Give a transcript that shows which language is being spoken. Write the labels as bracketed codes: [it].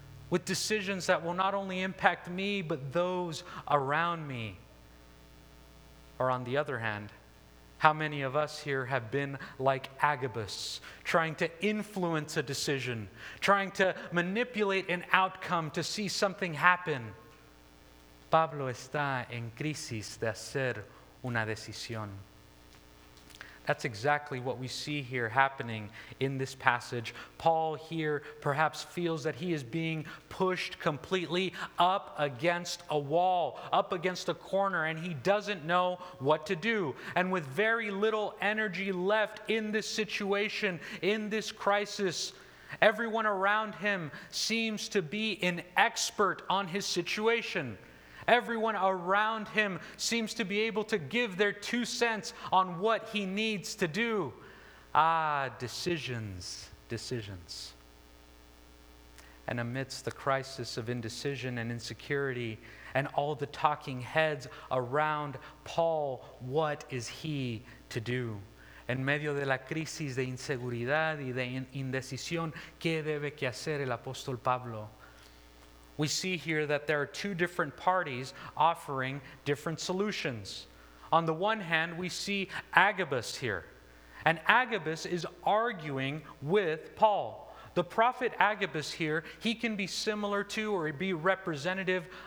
[en] With decisions that will not only impact me, but those around me. Or on the other hand, how many of us here have been like Agabus, trying to influence a decision, trying to manipulate an outcome to see something happen? [es] Pablo está en crisis de hacer una decisión. [en] That's exactly what we see here happening in this passage. Paul here perhaps feels that he is being pushed completely up against a wall, up against a corner, and he doesn't know what to do. And with very little energy left in this situation, in this crisis, everyone around him seems to be an expert on his situation. Everyone around him seems to be able to give their two cents on what he needs to do. Ah, decisions, decisions. And amidst the crisis of indecision and insecurity and all the talking heads around Paul, what is he to do? [es] En medio de la crisis de inseguridad y de indecisión, ¿qué debe que hacer el apóstol Pablo? [en] We see here that there are two different parties offering different solutions. On the one hand, we see Agabus here. And Agabus is arguing with Paul. The prophet Agabus here, he can be similar to or be representative